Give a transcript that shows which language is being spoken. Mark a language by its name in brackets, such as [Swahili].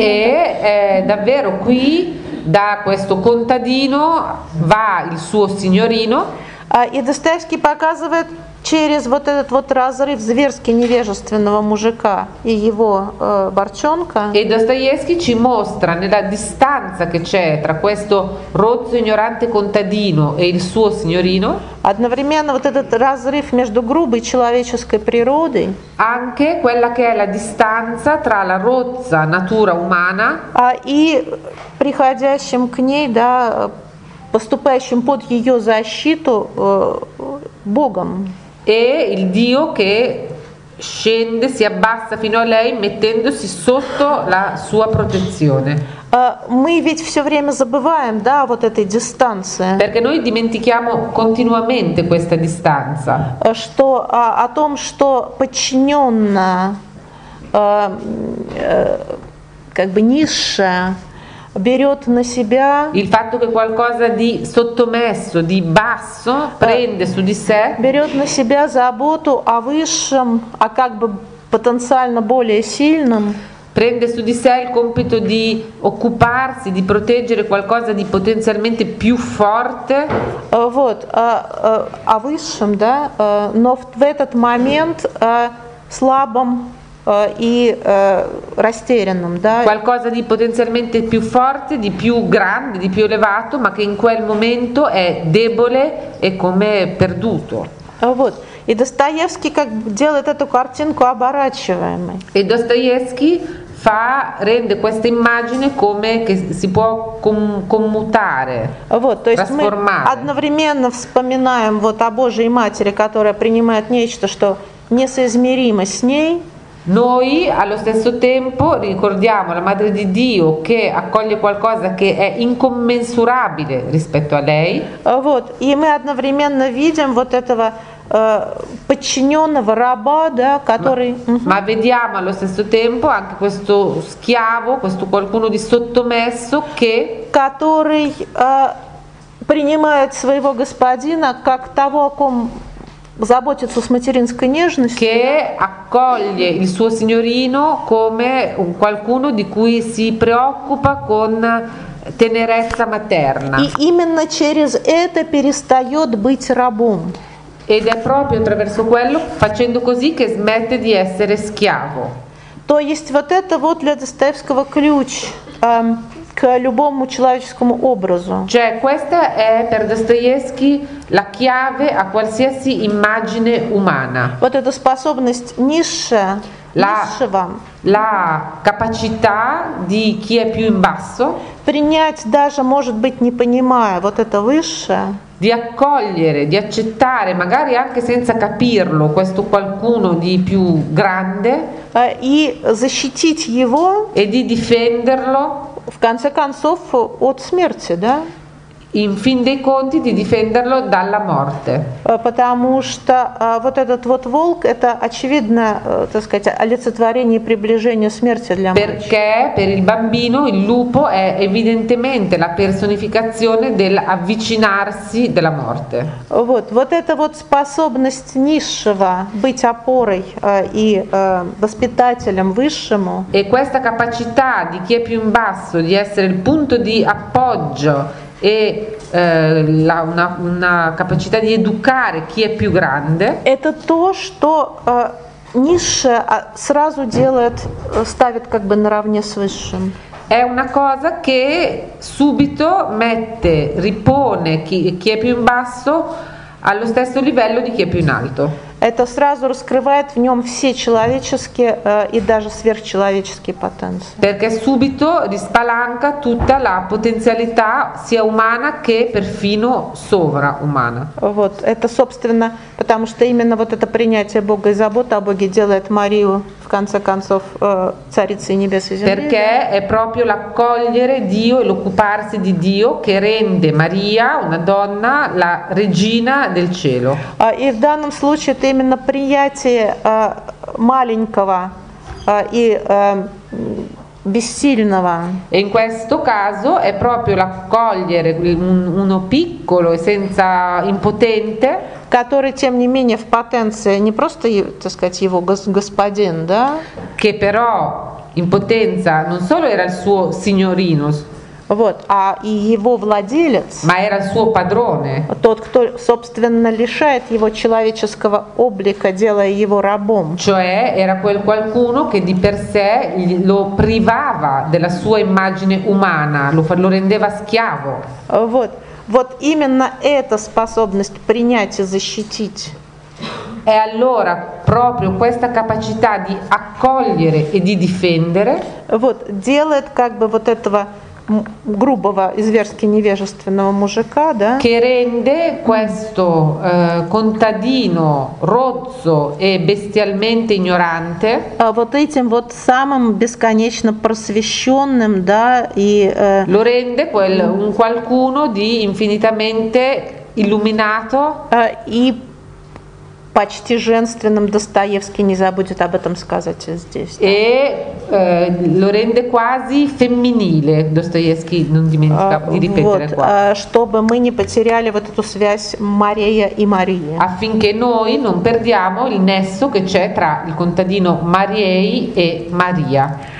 [Italian] E davvero qui da questo contadino va il suo signorino. [Russian] И Достоевский показывает через вот этот вот разрыв зверски невежественного мужика и его барчонка. [Italian] E Достоевский ci mostra nella distanza che c'è tra questo rozzo ignorante contadino e il suo signorino. [Russian] Одновременно вот этот разрыв между грубой человеческой природой. [Italian] Anche quella che è la distanza tra la rozza natura umana. [Russian] И приходящим к ней, да, поступающим под ее защиту Богом. [Italian] E il Dio che scende, si abbassa fino a lei, mettendosi sotto la sua protezione. [Russian] Мы ведь все время забываем, да, вот этой дистанции. [Italian] Perché noi dimentichiamo continuamente questa distanza. [Russian] Что о том, что подчиненная, как бы низшая, берет на себя. [Italian] Il fatto che qualcosa di sottomesso, di basso, prende su di sé. [Russian] Берет на себя заботу о высшем, о как бы потенциально более сильном. [Italian] Prende su di sé il compito di occuparsi, di proteggere qualcosa di potenzialmente più forte. [Russian] Вот, о высшем, да, но в этот момент слабым и растерянным, да. [Italian] Qualcosa di potenzialmente più forte, di più grande, di più elevato, ma che in quel momento è debole e come perduto. Вот. [Russian] И Достоевский как делает эту картинку оборачиваемой. [Italian] E Dostoevsky fa, rende questa immagine come che si può commutare, [Russian] вот, то есть [Italian] trasformare. [Russian] Мы одновременно вспоминаем вот о Божьей Матери, которая принимает нечто, что несоизмеримо с ней. [Italian] Noi allo stesso tempo ricordiamo la Madre di Dio che accoglie qualcosa che è incommensurabile rispetto a lei. [Russian] Вот, и мы одновременно видим вот этого подчиненного раба, да, который. [Italian] Ma vediamo allo stesso tempo anche questo schiavo, questo qualcuno di sottomesso che. [Russian] Который принимает своего господина как того, о ком заботится с материнской нежностью. [Italian] Che accoglie il suo signorino come un qualcuno di cui si preoccupa con tenerezza materna. [Russian] И именно через это перестает быть рабом. [Italian] Ed è proprio attraverso quello, facendo così, che smette di essere schiavo. [Russian] То есть вот это вот для Достоевского ключ к любому человеческому образу. [Italian] Cioè questa è per Dostoevsky la chiave a qualsiasi immagine umana. [Russian] Вот эта способность низшего. [Italian] La capacità di chi è più in basso. [Russian] Принять даже, может быть, не понимая вот это высшее. [Italian] Di accogliere, di accettare, magari anche senza capirlo, questo qualcuno di più grande, [Russian] и защитить его, [Italian] e di difenderlo, [Russian] в конце концов, от смерти, да? [Italian] In fin dei conti di difenderlo dalla morte. [Russian] Потому что вот этот вот волк это очевидно, так сказать, олицетворение приближения смерти для мальчика. [Italian] Perché per il bambino il lupo è evidentemente la personificazione dell'avvicinarsi della morte. [Russian] Вот, вот эта вот способность низшего быть опорой и воспитателем высшему. [Italian] E questa capacità di chi è più in basso di essere il punto di appoggio e la, una capacità di educare chi è più grande. [Russian] Это то, что низшее сразу делает, ставит как бы наравне с высшим. [Italian] È una cosa che subito mette, ripone chi è più in basso allo stesso livello di chi è più in alto. [Russian] Это сразу раскрывает в нем все человеческие и даже сверхчеловеческие потенции. [Italian] Perché subito rispalanca tutta la potenzialità sia umana che perfino sovraumana. [Russian] Вот, это собственно, потому что именно вот это принятие Бога и забота о Боге делает Марию в конце концов царицей небес и земли. [Italian] Perché è proprio l'accogliere Dio e l'occuparsi di Dio che rende Maria una donna la regina del cielo. [Russian] И в данном случае именно приятие маленького и бессильного. [Italian] E in questo caso è proprio l'accogliere uno piccolo e senza impotente, [Russian] который тем не менее в потенции не просто, так сказать, его господин, да? [Italian] Che però in potenza non solo era il suo signorino. [Russian] Вот, а и его владелец, [Italian] ma era suo padrone, [Russian] тот, кто, собственно, лишает его человеческого облика, делая его рабом. [Italian] Cioè, era quel qualcuno che di per sé lo privava della sua immagine umana, lo rendeva schiavo. [Russian] Вот, вот именно эта способность принять и защитить. [Italian] È allora proprio questa capacità di accogliere e di difendere. [Russian] Вот, делает как бы вот этого грубого и зверски невежественного мужика, да? [Italian] Che rende questo contadino rozzo e bestialmente ignorante? [Russian] Вот этим вот самым бесконечно просвещенным, да, и [Italian] lo rende quel un qualcuno di infinitamente illuminato? [Russian] И почти женственным Достоевский не забудет об этом сказать здесь. [Italian] E lo rende quasi femminile Достоевский, non dimentica di ripetere вот, qua. [Russian] Чтобы мы не потеряли вот эту связь Марея и Марии. [Italian] Affinché noi non perdiamo il nesso che c'è tra il contadino Mariei e Maria.